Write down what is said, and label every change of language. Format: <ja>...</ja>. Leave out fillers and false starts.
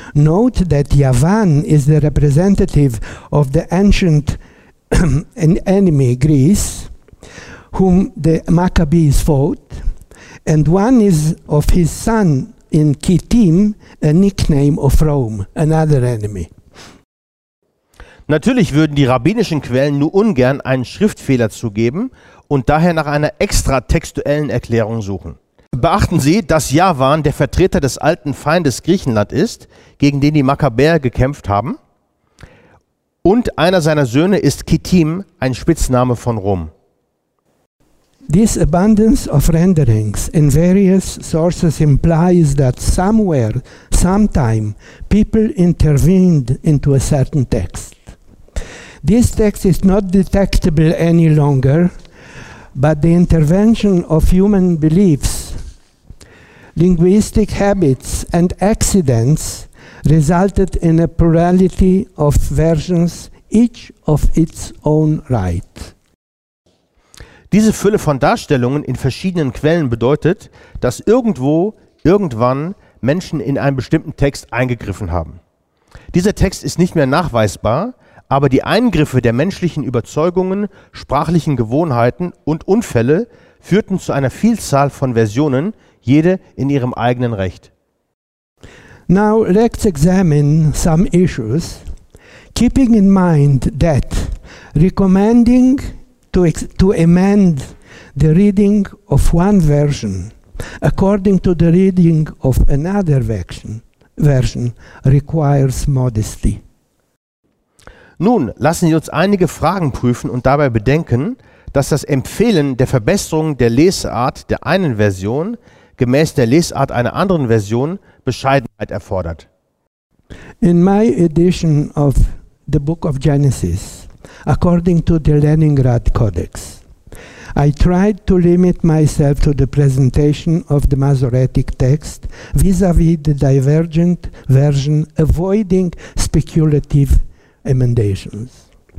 <en>Note that Yavan is the representative of the ancient enemy Greece, whom the Maccabees fought, and one is of his son in Kittim, a nickname of Rome, another enemy.</en> <de>Natürlich würden die rabbinischen Quellen nur ungern einen Schriftfehler zugeben und daher nach einer extratextuellen Erklärung suchen. Beachten Sie, dass Javan der Vertreter des alten Feindes Griechenland ist, gegen den die Makkabäer gekämpft haben. Und einer seiner Söhne ist Kittim, ein Spitzname von Rom.</de> <en>This abundance of renderings in various sources implies that somewhere, sometime, people intervened into a certain text. This text is not detectable any longer, but the intervention of human beliefs, linguistic habits, and accidents resulted in a plurality of versions, each of its own right.</en> <de>Diese Fülle von Darstellungen in verschiedenen Quellen bedeutet, dass irgendwo, irgendwann Menschen in einen bestimmten Text eingegriffen haben. Dieser Text ist nicht mehr nachweisbar, aber die Eingriffe der menschlichen Überzeugungen, sprachlichen Gewohnheiten und Unfälle führten zu einer Vielzahl von Versionen, jede in ihrem eigenen Recht.</de> <en>Now let's examine some issues, keeping in mind that recommending to amend the reading of one version according to the reading of another version requires modesty.</en> <de>Nun, lassen Sie uns einige Fragen prüfen und dabei bedenken, dass das Empfehlen der Verbesserung der Lesart der einen Version gemäß der Lesart einer anderen Version Bescheidenheit erfordert.</de> <en>In my edition of the Book of Genesis, according to the Leningrad Codex, I tried to limit myself to the presentation of the Masoretic text vis-à-vis the divergent version, avoiding speculative emendations.</en>